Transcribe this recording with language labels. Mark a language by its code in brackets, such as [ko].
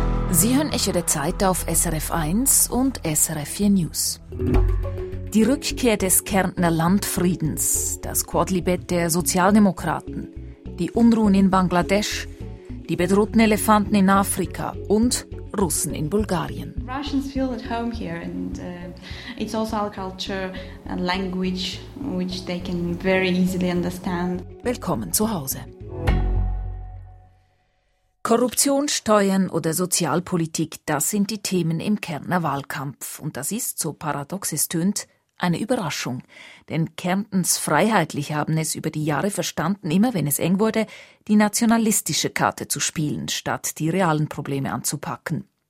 [de] Sie hören Echo der Zeit auf SRF 1 und SRF 4 News. Die Rückkehr des Kärntner Landfriedens, das Quadlibet der Sozialdemokraten, die Unruhen in Bangladesch, die bedrohten Elefanten in Afrika und Russen in Bulgarien. [en] Russians feel at home here and it's also our culture and language which they can very easily understand. [de] Willkommen zu Hause. Korruption, Steuern oder Sozialpolitik, das sind die Themen im Kärntner Wahlkampf. Und das ist, so paradox es tönt, eine Überraschung. Denn Kärntens Freiheitliche haben es über die Jahre verstanden, immer wenn es eng wurde, die nationalistische Karte zu spielen, statt die realen Probleme anzupacken.